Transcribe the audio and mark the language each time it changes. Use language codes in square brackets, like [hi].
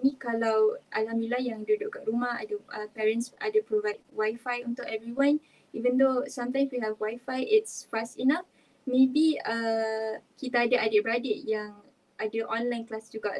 [ms] Ni kalau alhamdulillah yang duduk kat rumah, ada parents ada provide wifi untuk everyone. [en] Even though sometimes we have wifi, it's fast enough. [ms] Maybe kita ada adik-beradik yang ada online class juga.